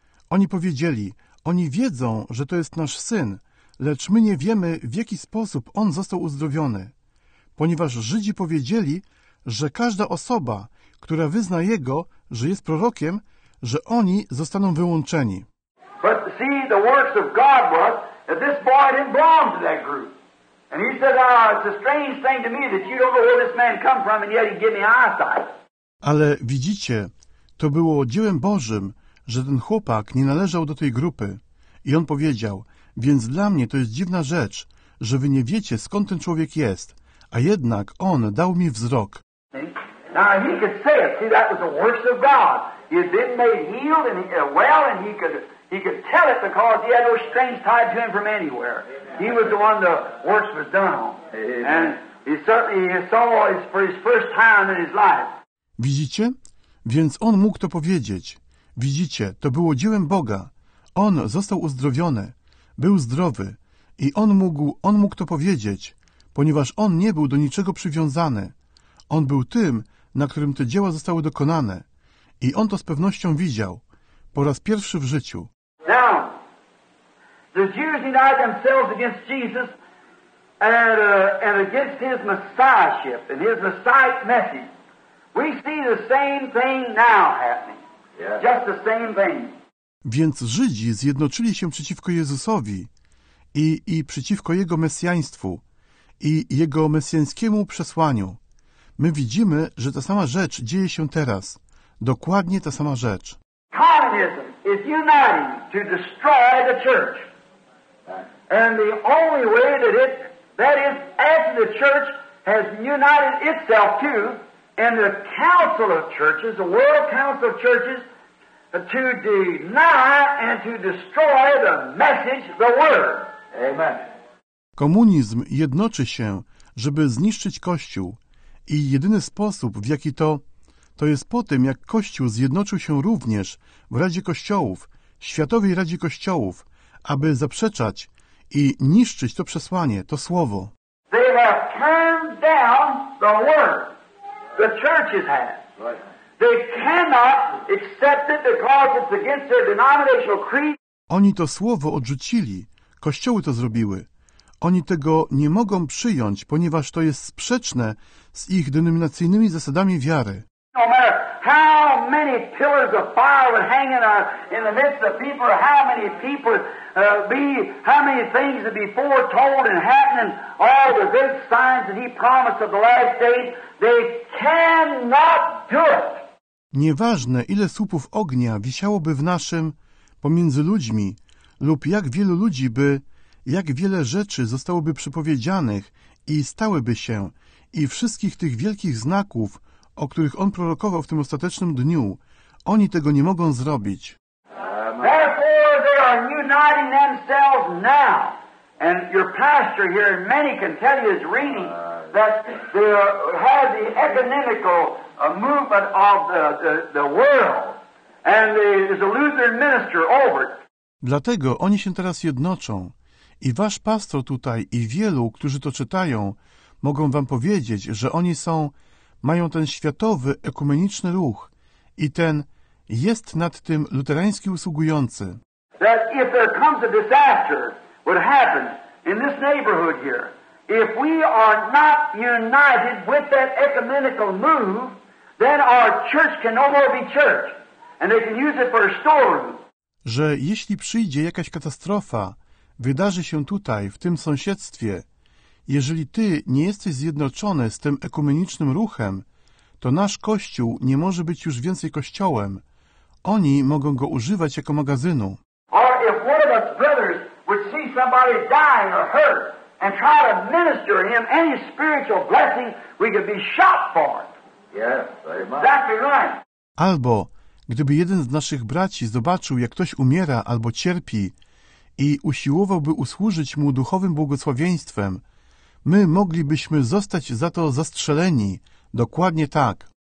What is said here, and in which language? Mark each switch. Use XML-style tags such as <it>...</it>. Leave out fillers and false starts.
<pl>Oni powiedzieli, oni wiedzą, że to jest nasz syn, lecz my nie wiemy, w jaki sposób on został uzdrowiony. Ponieważ Żydzi powiedzieli, że każda osoba, która wyzna jego, że jest prorokiem, że oni zostaną wyłączeni.</pl> <en>But see, the works of God was that this boy didn't belong to that group. And he said, it's a strange thing to me that you don't know where this man come from and yet he gave me eyesight.</en> <pl>Ale widzicie, to było dziełem Bożym, że ten chłopak nie należał do tej grupy. I on powiedział, więc dla mnie to jest dziwna rzecz, że wy nie wiecie, skąd ten człowiek jest, a jednak on dał mi wzrok.</pl> <en>Now he could say it. See, that was the works of God. He had been made healed and well, and he could tell it because he had no strange tied to him from anywhere. He was the one the works was done on. And he certainly saw it for his first time in his life.</en> <pl>Widzicie? Więc on mógł to powiedzieć. Widzicie, to było dziełem Boga. On został uzdrowiony. Był zdrowy. I on mógł to powiedzieć, ponieważ on nie był do niczego przywiązany. On był tym, na którym te dzieła zostały dokonane. I on to z pewnością widział. Po raz pierwszy w życiu.</pl> <en>Now, the Jews united themselves against Jesus and against his messiahship and his messiah message. We see the same thing now happening. Yes. Just the same thing.</en> <pl>Więc Żydzi zjednoczyli się przeciwko Jezusowi i przeciwko Jego mesjaństwu i Jego mesjańskiemu przesłaniu. My widzimy, że ta sama rzecz dzieje się teraz. Dokładnie ta sama rzecz.</pl> <en>Communism is uniting to destroy the church. And the only way that is, as the church has united itself to, and the council of churches, the world council of churches, to deny and to destroy the message, the word. Amen.</en> <pl>Komunizm jednoczy się, żeby zniszczyć Kościół. I jedyny sposób, w jaki to jest po tym, jak Kościół zjednoczył się również w Radzie Kościołów, Światowej Radzie Kościołów, aby zaprzeczać i niszczyć to przesłanie, to słowo.</pl> <en>They have turned down the word the churches have. They cannot accept it because it's against their denominational creed.</en> <pl>Oni to słowo odrzucili, Kościoły to zrobiły. Oni tego nie mogą przyjąć, ponieważ to jest sprzeczne z ich denominacyjnymi zasadami wiary.</pl> <en>No matter how many pillars of fire would hang in the midst of people, how many people be, how many things would be foretold and happening, all the good signs that he promised of the last days, they cannot do it.</en> <pl>Nieważne, ile słupów ognia wisiałoby w naszym, pomiędzy ludźmi, lub jak wielu ludzi by, jak wiele rzeczy zostałoby przepowiedzianych i stałyby się, i wszystkich tych wielkich znaków, o których on prorokował w tym ostatecznym dniu, oni tego nie mogą zrobić.</pl> <en>Therefore they are uniting themselves now. And your pastor here, and many can tell you, is reading that they have the ecumenical movement of the world. And there is a Lutheran minister over it.</en> <pl>Dlatego oni się teraz jednoczą. I wasz pastor tutaj, i wielu, którzy to czytają, mogą wam powiedzieć, że oni są, mają ten światowy ekumeniczny ruch i ten jest nad tym luterański usługujący.</pl> <en>That if there comes a disaster, what happens in this neighborhood here, if we are not united with that ecumenical move, then our church can no more be church, and they can use it for a storeroom.</en> <pl>Że jeśli przyjdzie jakaś katastrofa, wydarzy się tutaj, w tym sąsiedztwie, jeżeli ty nie jesteś zjednoczony z tym ekumenicznym ruchem, to nasz kościół nie może być już więcej kościołem. Oni mogą go używać jako magazynu.</pl> <en>Or if one of us brothers would see somebody dying or hurt and try to minister him any spiritual blessing, we could be shot for it. Yes, exactly right.</en> <pl>Albo gdyby jeden z naszych braci zobaczył, jak ktoś umiera albo cierpi, i usiłowałby usłużyć mu duchowym błogosławieństwem, my moglibyśmy zostać za to zastrzeleni. Dokładnie tak.</pl>